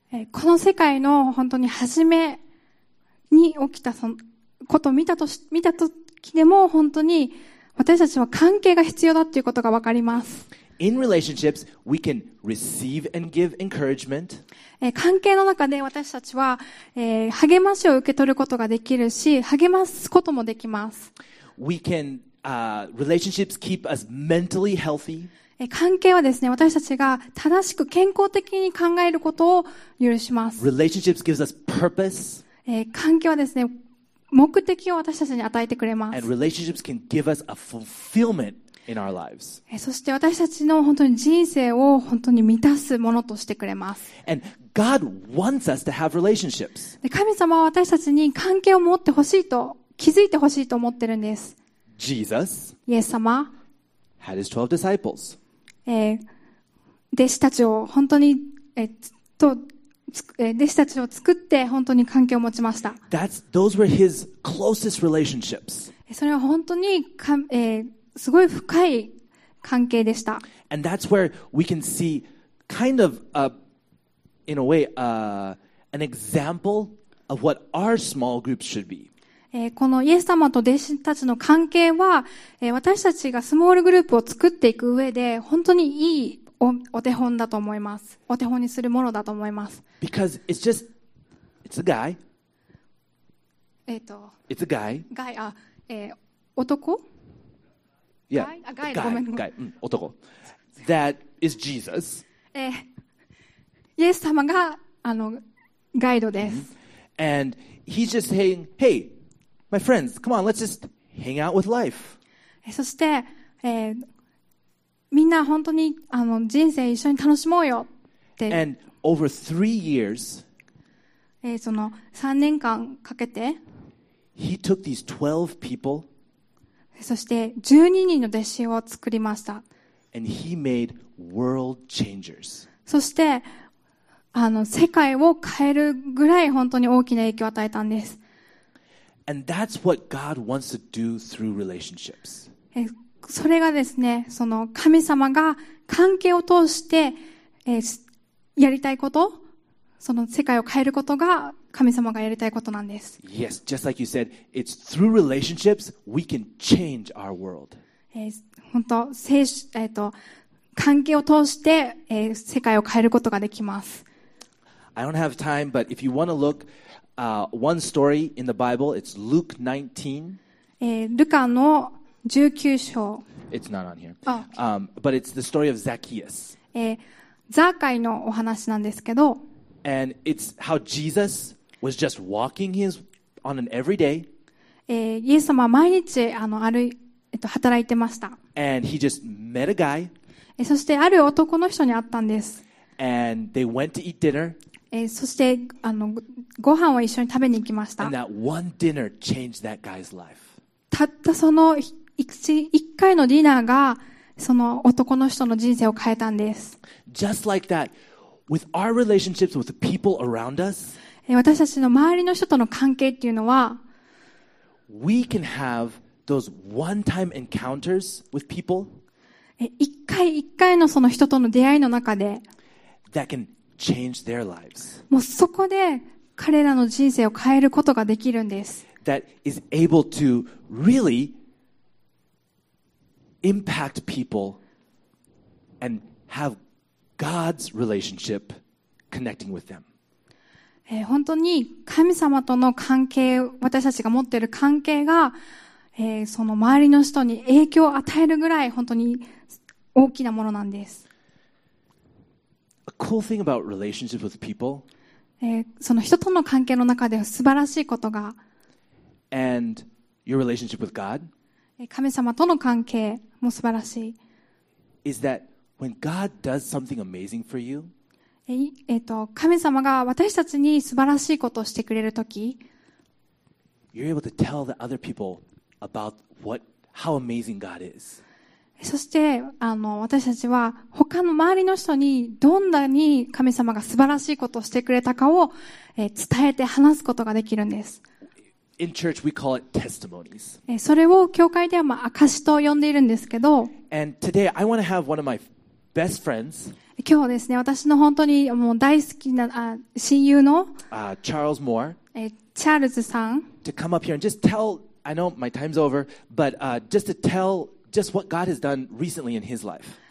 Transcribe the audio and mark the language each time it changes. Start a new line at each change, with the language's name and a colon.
Japanese: この世界の本当に初めに起きたそのことを見たときでも本当に私たちは関係が必要だということが分かります。
English: In relationships, we can receive and give encouragement.
Japanese: 関係の中で私たちは、励ましを受け取ることができるし、励ますこともできます。
English: We can, relationships keep us mentally healthy.
Japanese: 関係はですね、私たちが正しく健康的に考えることを許します。
English: Relationships gives us purpose.
Japanese: 関係はですね、目的を私たちに与えてくれます。
English: And relationships can give us a fulfillment in our lives.
Japanese: そして私たちの本当に人生を本当に満たすものとしてくれます。
English: And God wants us to have relationships.
Japanese: 神様は私たちに関係を持ってほしいと、気づいてほしいと思ってるんです。
English: Jesus.
Japanese: イエス様。
English: Had his 12 disciples.
Japanese: 弟子たちを本当に、弟子たちを作って本当に関係を持ちました。
English: Those were his closest relationships.
Japanese: それは本当にか、すごい深い関係でした。
English: And that's where we can see kind of a, in a way, an example of what our small groups should be.
Japanese: このイエス様と弟子たちの関係は、私たちがスモールグループを作っていく上で本当にいい お手本だと思います。お手本にするものだと思います。
English: Because it's just it's a guy. It's a guy.
Japanese: Guy, 男?
English: Yeah.
Japanese: Guy, ごめんごめん。
English: Guy, 男。That is Jesus.
Japanese: イエス様があのガイドです。
English: Mm-hmm. And he's just saying, hey. My friends, come on, let's just hang out with life.
Japanese: そして、みんな本当にあの人生一緒に楽しもうよって。
English: And over three years,
Japanese: その3年間かけて、
English: he took these 12 people,
Japanese: そして12人の弟子を作りました。
English: And he made world changers.
Japanese: そして、あの世界を変えるぐらい本当に大きな影響を与えたんです。
English: And that's what God wants to do through relationships.
Japanese: それがですね、その神様が関係を通して、やりたいこと、その世界を変えることが神様がやりたいことなんです。
English: Yes, just like you said, it's through relationships we can change our world.
Japanese: 本当、関係を通して、世界を変えることができます。
English: I don't have time, but if you want to look,one story in the Bible, it's Luke 19.
Japanese: ルカの19章。
English: It's not on here. Oh, okay. But it's the story of Zacchaeus.
Japanese: ザーカイのお話なんですけど。
English: And it's how Jesus was just walking his on an everyday.
Japanese: イエス様は毎日あの歩い、働いてました。
English: And he just met a guy.
Japanese: そしてある男の人に会ったんです。
English: And they went to eat dinner.
Japanese: そしてあのご飯を一緒に食べに行きました。
English: And that one dinner changed that guy's life.
Japanese: たったその一回のディナーがその男の人の人生を変えたんです。
English: Just like that, with our relationships with the people around us,
Japanese: 私たちの周りの人との関係っていうのは、
English: We can have those one-time encounters with people.
Japanese: 一回一回のその人との出会いの中で、
English: That can change their lives.
Japanese: もうそこで彼らの人生を変えることができるんです。
English: That is able to really impact people and have God's relationship connecting with them.
Japanese: 本当に神様との関係、私たちが持っている関係が、その周りの人に影響を与えるぐらい本当に大きなものなんです。
English: A cool thing about relationship with people.
Japanese: その人との関係の中で素晴らしいことが、
English: And your relationship with God.
Japanese: 神様との関係も素晴らしい。
English: Is that when God does something amazing for you?
Japanese: 神様が私たちに素晴らしいことをしてくれるとき、
English: You're able to tell the other people about what, how amazing God is.
Japanese: そして私たちは他の周りの人にどんなに神様が素晴らしいことをしてくれたかを伝えて話すことができるんです。
English: In church, we call it testimonies.
Japanese: それを教会ではまあ証しと呼んでいるんですけど、
English: And today, I want to have one of my best friends.
Japanese: 今日ですね、私の本当にもう大好きな親友のチャールズ・モア、チャールズさん、
English: to come up here and just tell, I know my time's over, but just to tell just what God has done recently in his life.